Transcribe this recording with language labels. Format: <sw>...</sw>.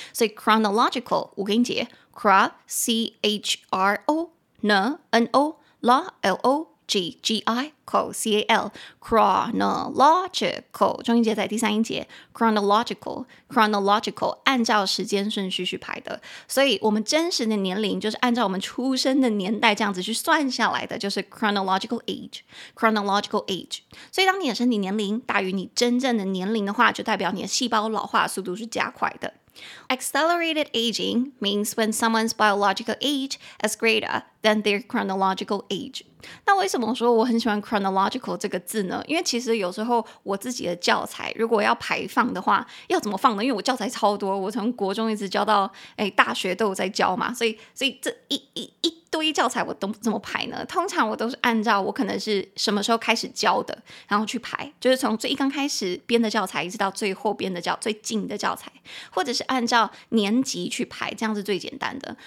<zh>所以 chronological 五个音节 chro, c-h-r-o, n, n-o, la, l-oGGICAL C-A-L Chronological 中音节在第三音节 Chronological Chronological 按照时间顺序去排的。所以我们真实的年龄就是按照我们出生的年代这样子去算下来的，就是 Chronological Age Chronological Age。所以当你的身体年龄大于你真正的年龄的话，就代表你的细胞老化速度是加快的。</zh> <en>Accelerated aging means when someone's biological age is greater than their chronological age.</en> <zh>那为什么说我很喜欢 chronological 这个字呢？因为其实有时候我自己的教材如果要排放的话，要怎么放呢？因为我教材超多，我从国中一直教到大学都有在教嘛，所以这一堆教材我都怎么排呢？通常我都是按照我可能是什么时候开始教的，然后去排，就是从最刚开始编的教材一直到最后编的教最近的教材，或者是按照年级去排，这样是最简单的。</zh>